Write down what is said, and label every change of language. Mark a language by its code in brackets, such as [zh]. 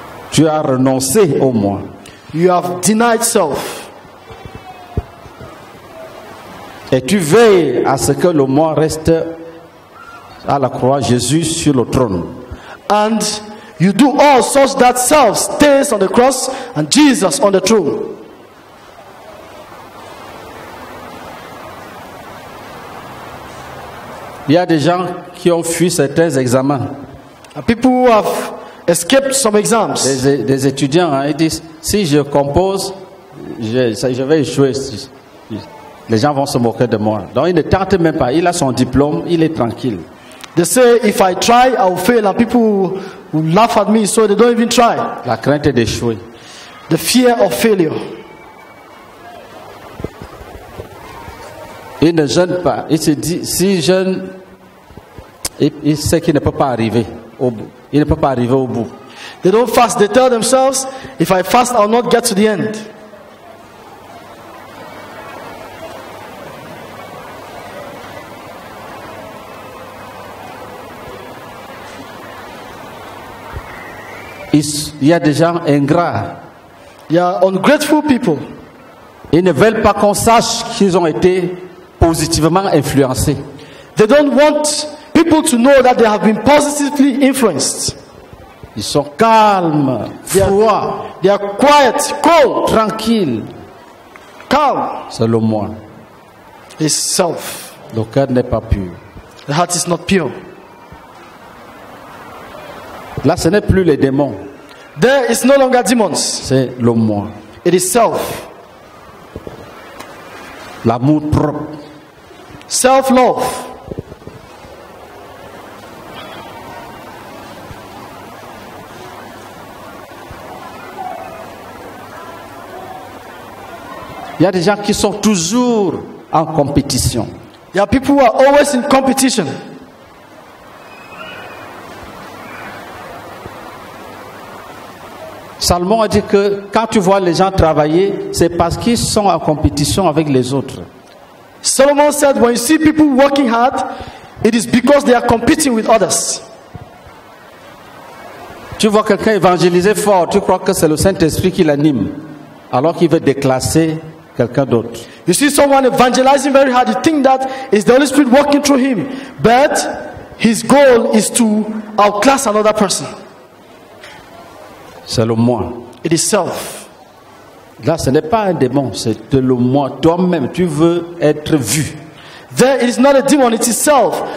[fr] Tu as renoncé au moi. [en] You have denied self. [fr] Et tu veilles à ce que le moi reste à la croix, Jésus sur le trône. [en] And you do all such that self stays on the cross and Jesus on the throne. [fr] Il y a des gens qui ont fui certains examens. [en] And people who have escaped some exams. [fr] Des étudiants, hein, ils disent, si je compose, je vais échouer. Les gens vont se moquer de moi. Donc il ne tente même pas. Il a son diplôme, il est tranquille. [en] They say if I try, I'll fail, and people will laugh at me, so they don't even try. [fr] La crainte d'échouer. [en] The fear of failure. [fr] Il ne jeûne pas. Il se dit si jeûne, il sait qu'il ne peut pas arriver au bout. Il ne peut pas arriver au bout. [en] They don't fast. They tell themselves if I fast, I'll not get to the end. [fr] Il y a des gens ingrats. [en] They are ungrateful people. [fr] Ils ne veulent pas qu'on sache qu'ils ont été positivement influencés. [en] They don't want people to know that they have been positively influenced. [fr] Ils sont calmes, froids. [en] They are quiet, cold, [fr] tranquille, [en] calm. [fr] C'est le moi. [en] It's self. [fr] Le cœur n'est pas pur. [en] The heart is not pure. [fr] Là, ce n'est plus les démons. [en] There is no longer demons. [fr] C'est le moi. [en] It is self. [fr] L'amour propre. [en] Self-love. [fr] Il y a des gens qui sont toujours en compétition. [en] There are people who are always in competition. [fr] Salomon a dit que quand tu vois les gens travailler, c'est parce qu'ils sont en compétition avec les autres. [en] Solomon said, when you see people working hard, it is because they are competing with others. [fr] Tu vois quelqu'un évangéliser fort, tu crois que c'est le Saint-Esprit qui l'anime, alors qu'il veut déclasser quelqu'un d'autre. [en] You see someone evangelizing very hard, you think that is the Holy Spirit working through him, but his goal is to outclass another person. [fr] C'est le moi. [en] It is self. [fr] Là, ce n'est pas un démon, c'est le moi. Toi-même, tu veux être vu. [en] There is not a demon, it is self.